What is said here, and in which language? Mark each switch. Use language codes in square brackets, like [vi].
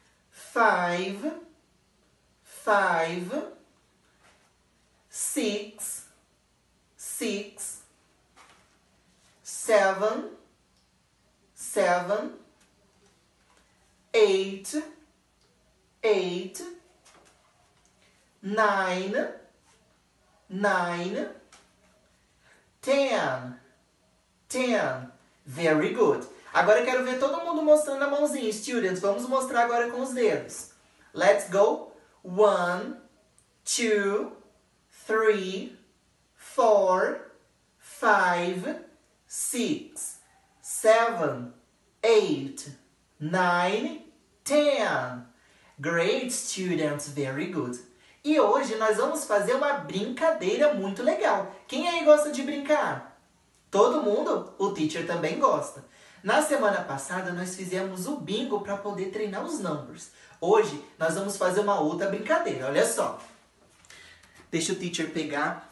[en] Five. Five, six, six, seven, seven, eight, eight, nine, nine, ten, ten. Very good. [pt] Agora eu quero ver todo mundo mostrando a mãozinha. Students, vamos mostrar agora com os dedos. [en] Let's go. One, two, three, four, five, six, seven, eight, nine, ten. Great students, very good. [pt] E hoje nós vamos fazer uma brincadeira muito legal. Quem aí gosta de brincar? Todo mundo? O teacher também gosta. Na semana passada, nós fizemos o bingo para poder treinar os numbers. Hoje, nós vamos fazer uma outra brincadeira. Olha só. Deixa o teacher pegar.